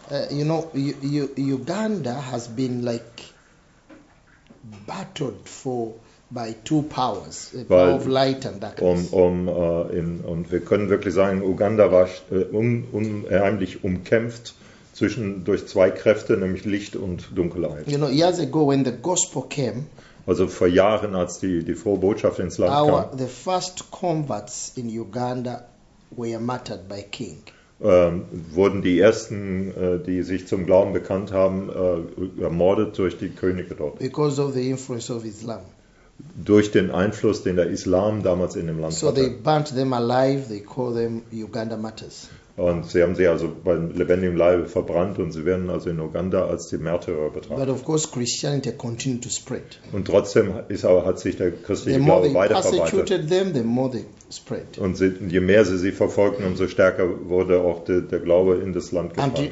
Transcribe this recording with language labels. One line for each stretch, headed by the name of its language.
English: Uganda has been like battled for by two powers,
German: Weil,
English: of light and darkness.
German: Und wir können wirklich sagen, Uganda war unheimlich umkämpft durch zwei Kräfte, nämlich Licht und Dunkelheit.
English: You know, years ago when the gospel came,
German: also vor Jahren, als die frohe Botschaft ins Land kam,
English: the first converts in Uganda were martyred by King.
German: Wurden die ersten, die sich zum Glauben bekannt haben, ermordet durch die Könige dort.
English: Because of the influence of Islam.
German: Durch den Einfluss, den der Islam damals in dem Land hatte.
English: So they burnt them alive, they call them Uganda martyrs.
German: Und sie haben sie also beim lebendigen Leibe verbrannt und sie werden also in Uganda als die Märtyrer betrachtet.
English: But of course Christianity continued to spread.
German: Und trotzdem hat sich der christliche Glaube weiterverbreitet.
English: Them, the more they spread.
German: Und je mehr sie verfolgten, umso stärker wurde auch der Glaube in das Land gebracht.